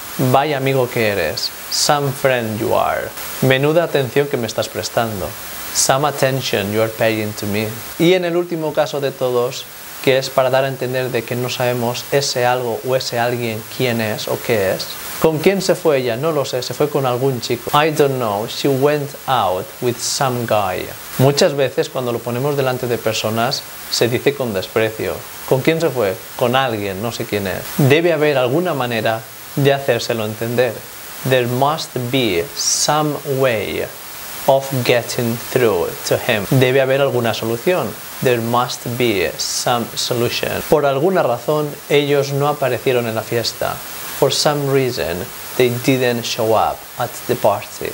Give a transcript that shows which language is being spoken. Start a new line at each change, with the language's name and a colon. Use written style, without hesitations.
Spanish: Vaya amigo que eres.
English: Some friend you are.
Spanish: Menuda atención que me estás prestando.
English: Some attention you are paying to me.
Spanish: Y en el último caso de todos, que es para dar a entender de que no sabemos ese algo o ese alguien quién es o qué es. ¿Con quién se fue ella? No lo sé, se fue con algún chico.
English: I don't know, she went out with some guy.
Spanish: Muchas veces cuando lo ponemos delante de personas se dice con desprecio. ¿Con quién se fue? Con alguien, no sé quién es. Debe haber alguna manera de hacérselo entender.
English: There must be some way of getting through to him.
Spanish: Debe haber alguna solución.
English: There must be some solution.
Spanish: Por alguna razón, ellos no aparecieron en la fiesta.
English: For some reason, they didn't show up at the party.